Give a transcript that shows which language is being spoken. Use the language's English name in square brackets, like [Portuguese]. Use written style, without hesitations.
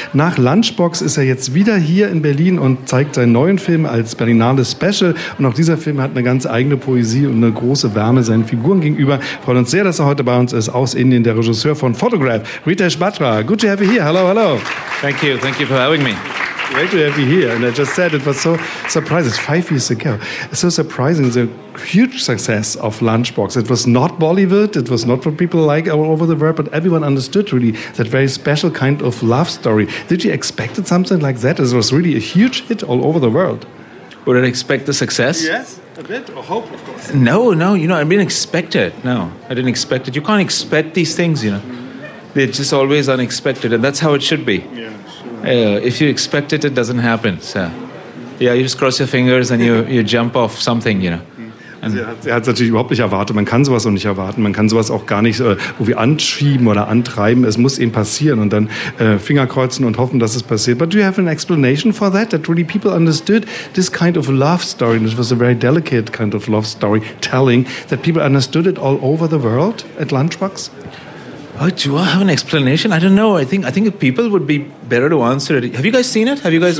[German] Nach Lunchbox ist er jetzt wieder hier in Berlin und zeigt seinen neuen Film als Berlinale Special. Und auch dieser Film hat eine ganz eigene Poesie und eine große Wärme seinen Figuren gegenüber. Freut uns sehr, dass er heute bei uns ist, aus Indien, der Regisseur von Photograph, Ritesh Batra. [English] Good to have you here. Hello, hello. Thank you for having me. Great to have you here. And I just said it was so surprising. 5 years ago. It's so surprising, the huge success of Lunchbox. It was not Bollywood. It was not what people like all over the world, but everyone understood really that very special kind of love story. Did you expect it something like that? It was really a huge hit all over the world. Would I expect the success? Yes. A bit, or hope, of course. No, you know, I didn't expect it. No, I didn't expect it. You can't expect these things, you know. They're just always unexpected, and that's how it should be. Yeah, sure. If you expect it, it doesn't happen. So, yeah, you just cross your fingers and you jump off something, you know. [German] Er hat es natürlich überhaupt nicht erwartet. Man kann sowas auch nicht erwarten. Man kann sowas auch gar nicht irgendwie anschieben oder antreiben. Es muss eben passieren und dann Finger kreuzen und hoffen, dass es passiert. [English] But do you have an explanation for that? That really people understood this kind of love story. This was a very delicate kind of love story telling that people understood it all over the world at Lunchbox? Oh, do I have an explanation? I don't know. I think people would be better to answer it. Have you guys seen it? Have you guys